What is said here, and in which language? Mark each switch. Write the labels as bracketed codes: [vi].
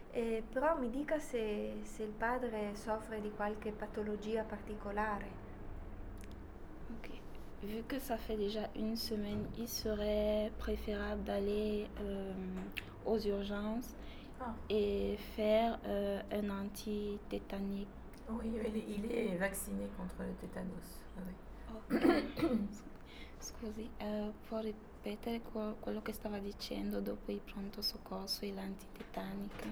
[it] Però mi dica se il padre soffre di qualche patologia particolare. [fr] Vu que ça fait déjà une semaine, il serait préférable d'aller aux urgences et faire un anti-tétanique. Oui, il est vacciné contre le tétanos. [it] Scusi, può ripetere quello che stava dicendo dopo il pronto soccorso e l'antitetanica?